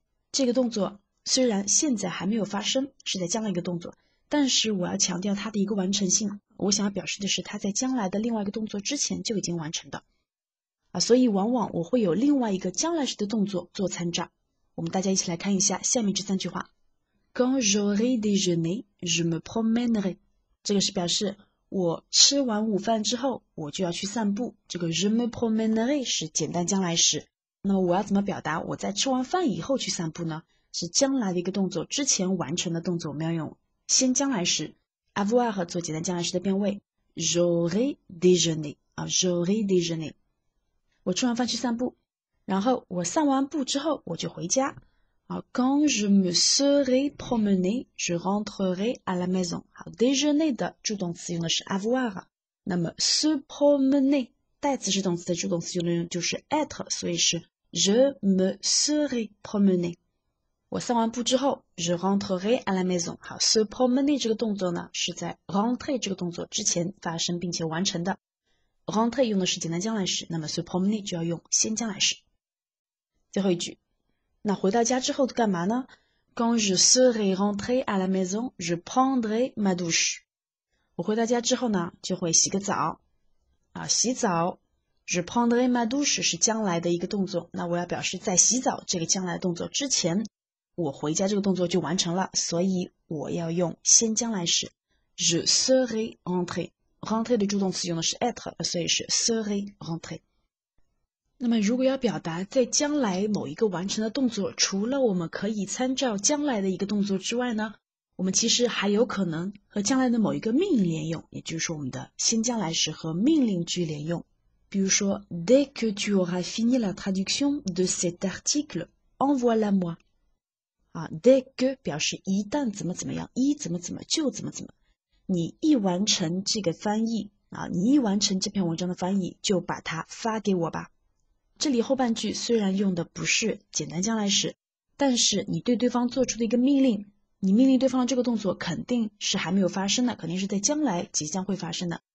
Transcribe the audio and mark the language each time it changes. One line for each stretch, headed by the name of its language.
Chinese: 这个动作虽然现在还没有发生，是在将来一个动作，但是我要强调它的一个完成性。我想要表示的是它在将来的另外一个动作之前就已经完成的。所以往往我会有另外一个将来时的动作做参照。我们大家一起来看一下下面这三句话。
French: Quand j'aurai déjeuné, je me promènerai.
Chinese: 这个是表示我吃完午饭之后我就要去散步。这个
French: je me promènerai
Chinese: 是简单将来时。那么我要怎么表达我在吃完饭以后去散步呢？是将来的一个动作，之前完成的动作，我们要用先将来时 avoir 做简单将来时的变位。
French: J'aurai déjeuné, j'aurai déjeuné.
Chinese: 我吃完饭去散步，然后我散完步之后我就回家。
French: Quand je me serai promené, je rentrerai à la maison.
Chinese: 好， déjeuner 的助动词用的是 avoir. 那么 se promener, 代词是动词的助动词用的就是 être, 所以是
French: je me serai promené.
Chinese: 我散完步之后
French: je rentrerai à la maison.
Chinese: 好， se promener 这个动作呢是在 rentrer 这个动作之前发生并且完成的。 rentrer 用的是简单将来时，那么 se promener 就要用先将来时。最后一句。那回到家之后干嘛呢？
French: Quand je serai rentré à la maison, je prendrai ma douche.
Chinese: 我回到家之后呢，就会洗个澡。洗澡，
French: je prendrai ma douche
Chinese: 是将来的一个动作。那我要表示在洗澡这个将来动作之前，我回家这个动作就完成了，所以我要用先将来时。
French: Je serai rentré.
Chinese: Rentré 的助动词用的是 être, 所以是 serai rentré。那么如果要表达在将来某一个完成的动作，除了我们可以参照将来的一个动作之外呢，我们其实还有可能和将来的某一个命令连用，也就是我们的先将来时和命令句连用。比如说
French: Dès que tu auras fini la traduction de cet article, envoie-la moi.
Chinese: Dès que 表示一旦怎么怎么样，一怎么怎么就怎么怎么，你一完成这个翻译你一完成这篇文章的翻译就把它发给我吧。这里后半句虽然用的不是简单将来时，但是你对对方做出的一个命令，你命令对方的这个动作肯定是还没有发生的，肯定是在将来即将会发生的。